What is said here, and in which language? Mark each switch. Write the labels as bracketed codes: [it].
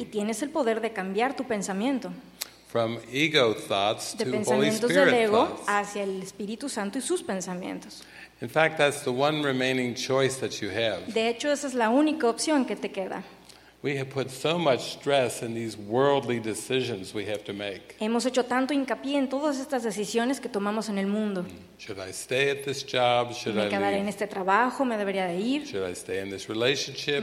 [es] Y tienes el poder de cambiar tu pensamiento. [en] From ego thoughts [es] de [en] to Holy Spirit thoughts. [es] De pensamientos del ego hacia el Espíritu Santo y sus pensamientos. [en] In fact, that's the one remaining choice that you have. [es] De hecho, esa es la única opción que te queda. [en] We have put so much stress in these worldly decisions we have to make. [es] Hemos hecho tanto hincapié en todas estas decisiones que tomamos en el mundo. [en] Should I stay at this job? Should I leave? [es] ¿Me quedaré en este trabajo? ¿Me debería de ir? [en] Should I stay in this relationship?